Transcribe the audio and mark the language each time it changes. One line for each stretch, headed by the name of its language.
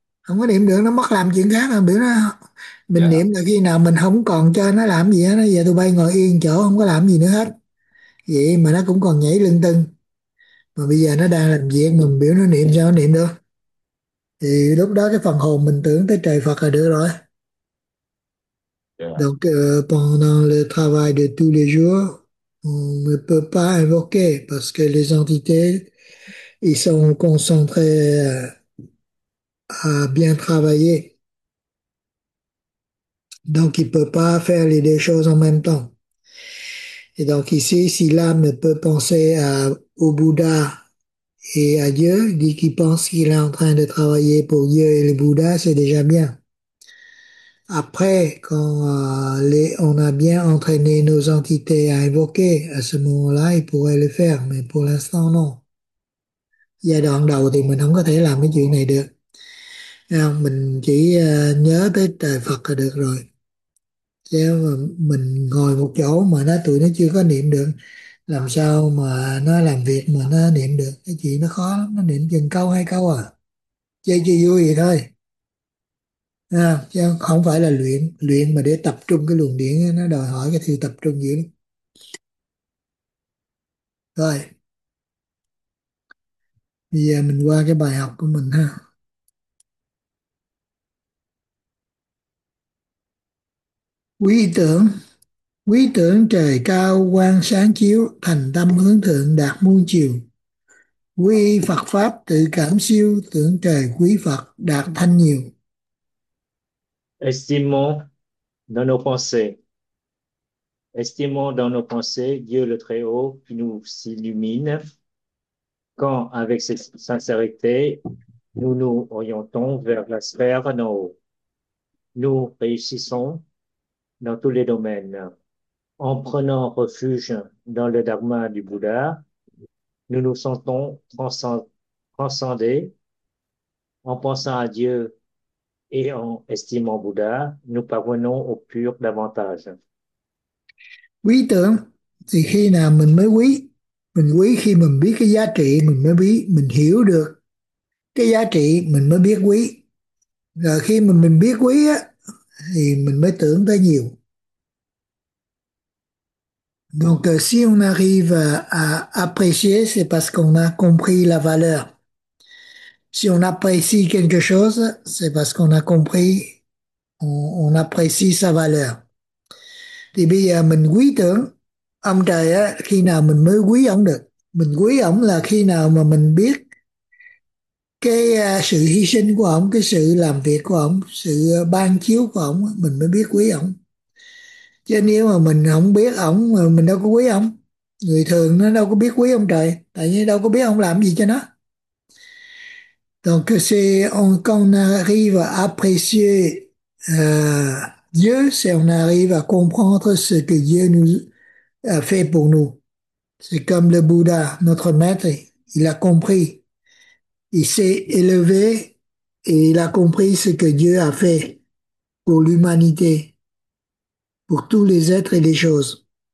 Vietnamese: Không có niệm được, nó mất làm chuyện khác, mà biểu nó Mình niệm là khi nào mình không còn cho nó làm gì hết, nó giờ tụi bay ngồi yên chỗ không có làm gì nữa hết, vậy mà nó cũng còn nhảy lưng tưng. Mà bây giờ nó đang làm việc mình biểu nó niệm cho nó niệm được, thì lúc đó cái phần hồn mình tưởng tới trời Phật là được rồi.
French: Donc pendant le travail de tous les jours, on ne peut pas invoquer parce que les entités ils sont concentrés à bien travailler. Donc ils ne peuvent pas faire les deux choses en même temps. Et donc ici, si l'âme peut penser au Bouddha et à Dieu, il dit qu'il pense qu'il est en train de travailler pour Dieu et le Bouddha, c'est déjà bien. Après, quand on a bien entraîné nos entités à invoquer, à ce moment-là, ils pourraient le faire, mais pour l'instant, non.
Vietnamese: Giai đoạn đầu thì mình không có thể làm cái chuyện này được. Không? Mình chỉ nhớ tới trời Phật là được rồi. Chứ mà mình ngồi một chỗ mà tụi nó chưa có niệm được, làm sao mà nó làm việc mà nó niệm được? Cái chuyện nó khó lắm, nó niệm chừng câu hai câu à. Chơi chơi vui vậy thôi. À, chứ không phải là luyện luyện mà để tập trung cái luồng điển, nó đòi hỏi cái sự tập trung dữ lắm. Rồi bây giờ mình qua cái bài học của mình ha. Quý tưởng trời cao quang sáng chiếu, thành tâm hướng thượng đạt muôn chiều. Quy Phật pháp tự cảm siêu, tưởng trời quý Phật đạt thanh nhiều.
French: Estimons dans nos pensées. Estimons dans nos pensées Dieu le Très-Haut qui nous s'illumine quand, avec sincérité, nous nous orientons vers la sphère d'en haut. Nous réussissons dans tous les domaines. En prenant refuge dans le Dharma du Bouddha, nous nous sentons transcendés. En pensant à Dieu, et en estimant Bouddha, nous parvenons au pur davantage.
Vietnamese: Quý tưởng thì khi nào mình mới quý? Mình quý khi mình biết cái giá trị mình mới biết, mình hiểu được cái giá trị mình mới biết quý. Rồi khi mà mình biết quý á thì mình mới tưởng tới nhiều.
French: Donc si on arrive à apprécier, c'est parce qu'on a compris la valeur. Si on apprécie quelque chose, c'est parce qu'on a compris, on apprécie sa valeur.
Vietnamese: Thì bây giờ mình quý tưởng ông trời á, khi nào mình mới quý ông được? Mình quý ông là khi nào mà mình biết cái sự hy sinh của ông, cái sự làm việc của ông, sự ban chiếu của ông, mình mới biết quý ông. Chứ nếu mà mình không biết ông mà mình đâu có quý ông, người thường nó đâu có biết quý ông trời, tại vì đâu có biết ông làm gì cho nó.
French: Donc c'est on arrive à apprécier Dieu, si on arrive à comprendre ce que Dieu nous a fait pour nous. C'est comme le Bouddha, notre maître, il a compris. Il s'est élevé et il a compris ce que Dieu a fait pour l'humanité, pour tous les êtres et les choses.